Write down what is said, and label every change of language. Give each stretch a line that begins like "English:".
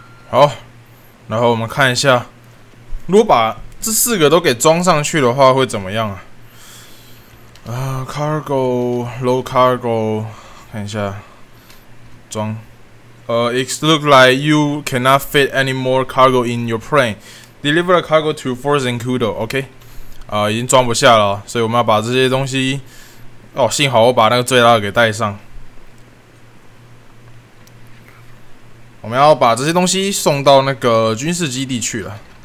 Chinese: 好，然后我们看一下，如果把这四个都给装上去的话，会怎么样啊？
English: cargo low cargo，
Chinese: 看一下，装。
English: It looks like you cannot fit any more cargo in your plane. Deliver the cargo to Frozen Kudo.
Chinese: OK， 已经装不下了，所以我们要把这些东西。哦，幸好我把那个最大的给带上。我们要把这些东西送到那个军事基地去了。